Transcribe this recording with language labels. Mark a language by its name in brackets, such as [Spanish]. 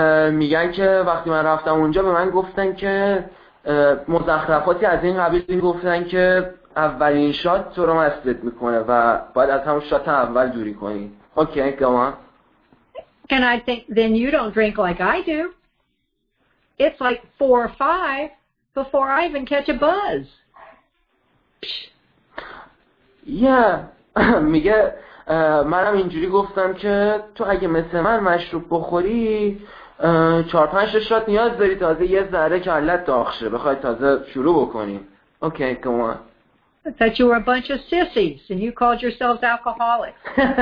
[Persian] میگن که وقتی من رفتم اونجا به من گفتن که مزخرفاتی از این قبیل، گفتن که اولین شات تو رو مستت میکنه و باید از همون شات اول دوری کنی. [English] Okay, come on. Can I think then you don't drink like I do? It's like 4 or 5 before I even catch a buzz. Yeah. [Persian] میگه منم اینجوری گفتم که تو اگه مثل من مشروب بخوری 4-5 شات نیاز داری تازه یه ذره کلت داغ شه بخوای تازه شروع بکنی. [English] Okay, come on. I thought you were a bunch of sissies and you called yourselves alcoholics.